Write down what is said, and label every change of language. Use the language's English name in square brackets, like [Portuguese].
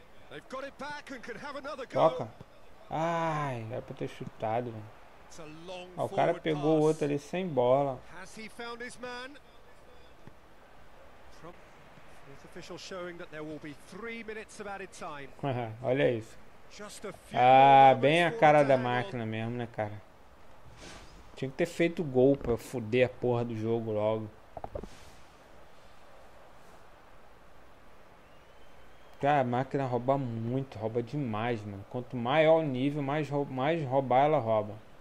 [English] They've got it back and could have another go. [Portuguese] Toca. Ai, era pra ter chutado, velho. Ó, o cara pegou o outro ali sem bola. [English] Has he found his man? The official showing that there will be 3 minutes of added time. [Portuguese] Olha isso. Ah, bem a cara da máquina mesmo, né, cara? Tinha que ter feito gol pra foder a porra do jogo logo. Ah, a máquina rouba muito, rouba demais, mano. Quanto maior o nível, mais roubar ela rouba.